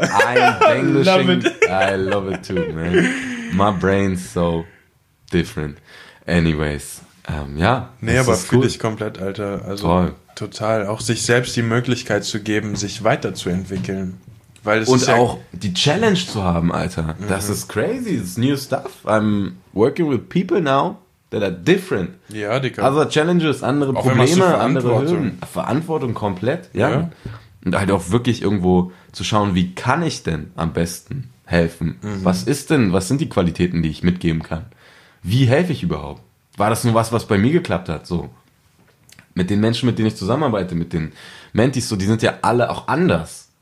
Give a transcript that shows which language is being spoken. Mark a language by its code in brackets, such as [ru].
[en] I love it too, man. My brain's so different. Anyways, ja. [de] Nee, aber fühle ich komplett, Alter. Also toll. Total. Auch sich selbst die Möglichkeit zu geben, sich weiterzuentwickeln. Weil es und ist auch ja die Challenge zu haben, Alter. [en] Mhm. [de] Das ist crazy. [en] It's new stuff. I'm working with people now that are different. [de] Ja, Digga. [en] Other challenges, [de] andere auch Probleme, andere Hürden. Verantwortung komplett, ja. Ja. Und halt auch wirklich irgendwo zu schauen, wie kann ich denn am besten helfen? Mhm. Was sind die Qualitäten, die ich mitgeben kann? Wie helfe ich überhaupt? War das nur was bei mir geklappt hat? So mit den Menschen, mit denen ich zusammenarbeite, mit den Mentees, so die sind ja alle auch anders.